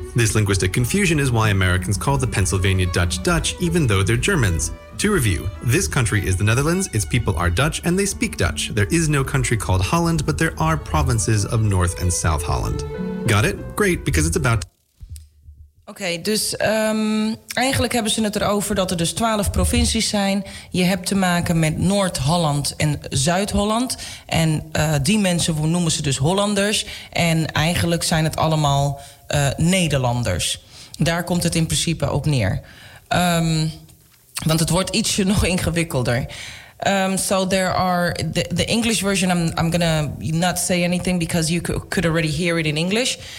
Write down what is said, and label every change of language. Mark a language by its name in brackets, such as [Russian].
[English] This linguistic confusion is why Americans call the Pennsylvania Dutch Dutch, even though they're Germans. To review, this country is the Netherlands, its people are Dutch, and they speak Dutch. There is no country called Holland, but there are provinces of North and South Holland. Got it? Great, because it's about... [Dutch] Okay, dus eigenlijk hebben ze het erover dat er dus 12 provincies zijn. Je hebt te maken met Noord-Holland en Zuid-Holland. En die mensen noemen ze dus Hollanders. En eigenlijk zijn het allemaal Nederlanders. Daar komt het in principe op neer. Want het wordt ietsje nog ingewikkelder. [English] So there are the English version. I'm gonna not say anything because you could already hear it in English.